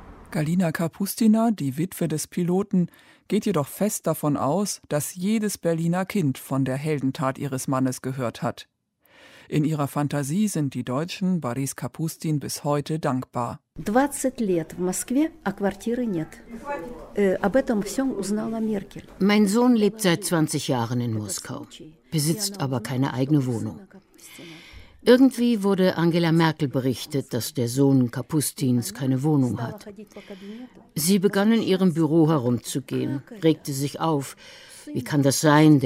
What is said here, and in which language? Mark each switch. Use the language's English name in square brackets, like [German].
[German] Galina Kapustina, die Witwe des Piloten, geht jedoch fest davon aus, dass jedes Berliner Kind von der Heldentat ihres Mannes gehört hat. In ihrer Fantasie sind die Deutschen Boris Kapustin bis heute dankbar. [Russian] 20 лет в Москве, а квартиры нет. Об этом всем узнала Меркель. [German] Mein Sohn lebt seit 20 Jahren in Moskau, besitzt aber keine eigene Wohnung. Irgendwie wurde Angela Merkel berichtet, dass der Sohn Kapustins keine Wohnung hat. Sie begann in ihrem Büro herumzugehen, regte sich auf. Wie kann das sein?